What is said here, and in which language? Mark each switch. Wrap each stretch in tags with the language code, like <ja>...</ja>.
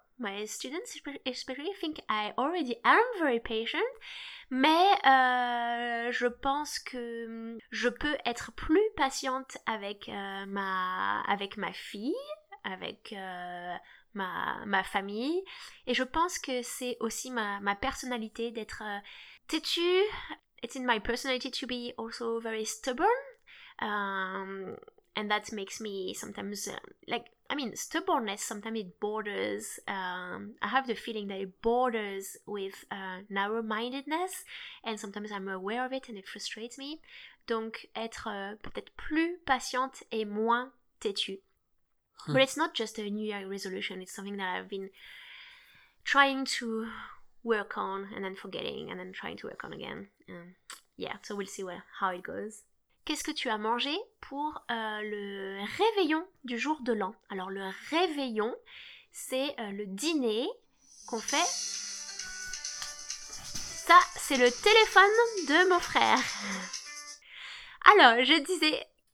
<en>My students especially think I already am very patient,</en> <fr>mais je pense que je peux être plus patiente avec ma fille, avec ma famille, et je pense que c'est aussi ma personnalité d'être têtue.</fr> <en>It's in my personality to be also very stubborn, and that makes me sometimes like. I mean, stubbornness, sometimes it borders, I have the feeling that it borders with narrow-mindedness, and sometimes I'm aware of it and it frustrates me.</en> <fr>Donc, être peut-être plus patiente et moins têtue.</fr> <en>But it's not just a New Year resolution, it's something that I've been trying to work on and then forgetting and then trying to work on again. Yeah, so we'll see how it goes.</en> <fr>Qu'est-ce que tu as mangé pour le réveillon du jour de l'an? Alors, le réveillon, c'est le dîner qu'on fait. Ça, c'est le téléphone de mon frère. Alors, je disais...</fr>